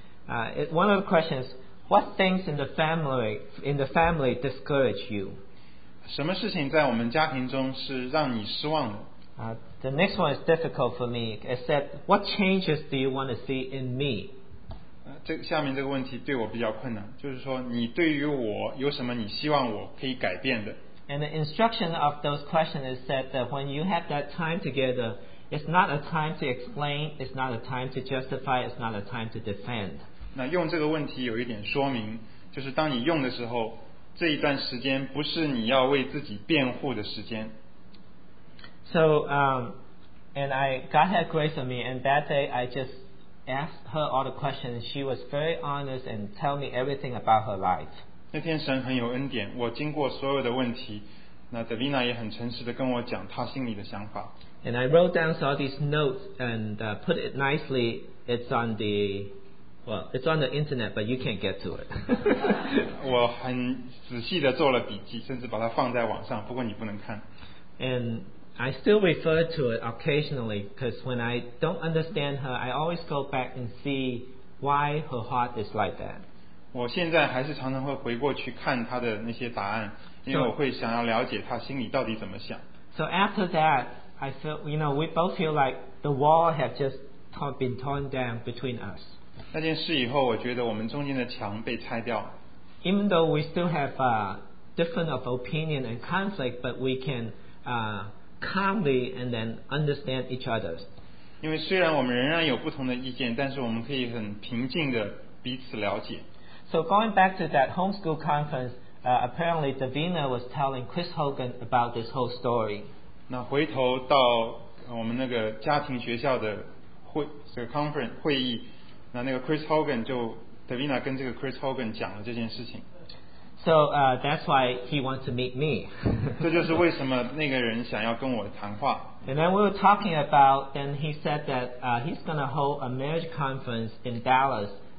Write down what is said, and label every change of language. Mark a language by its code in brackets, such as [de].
[en] One of the questions,What things in the family discourage you? [zh] 什么事情在我们家庭中是让你失望的？ [en] The next one is difficult for me. It said, What changes do you want to see in me? [zh] 下面这个问题对我比较困难，就是说你对于我有什么你希望我可以改变的？ [en] And the instruction of those questions is said that when you have that time together, it's not a time to explain, it's not a time to justify, it's not a time to defend. [zh] 那用这个问题有一点说明，就是当你用的时候，这一段时间不是你要为自己辩护的时间。 [en] So, and I, God had grace on me, and that day I just asked her all the questions. She was very honest and tell me everything about her life. [zh] 那天神很有恩典，我经过所有的问题，那 Delina 也很诚实地跟我讲她心里的想法。 [en] And I wrote down all these notes and put it nicely. It's on the, well, it's on the internet, but you can't get to it. [zh] 我很仔细地做了笔记，甚至把它放在网上，不过你不能看。 [en] And I still refer to it occasionally because when I don't understand her, I always go back and see why her heart is like that. [zh] 我现在还是常常会回过去看她的那些答案，因为我会想要了解她心里到底怎么想。 [en] So after that, I feel, you know, we both feel like the wall has just been torn down between us. [zh] 那件事以后，我觉得我们中间的墙被拆掉。 [en] Even though we still have a difference of opinion and conflict, but we can calmly and then understand each other. [zh] 因为虽然我们仍然有不同的意见，但是我们可以很平静的彼此了解。 [en] So going back to that homeschool conference, apparently Davina was telling Chris Hogan about this whole story. [zh] 那回头到我们那个家庭学校的会，这个 conference 会议，那个 Chris Hogan 就 Davina 跟这个 Chris Hogan 讲了这件事情。 [en] So that's why he wants to meet me. [zh] 这就是为什么那个人想要跟我谈话。 [en] And then we were talking about, then he said that he's going to hold a marriage conference in Dallas.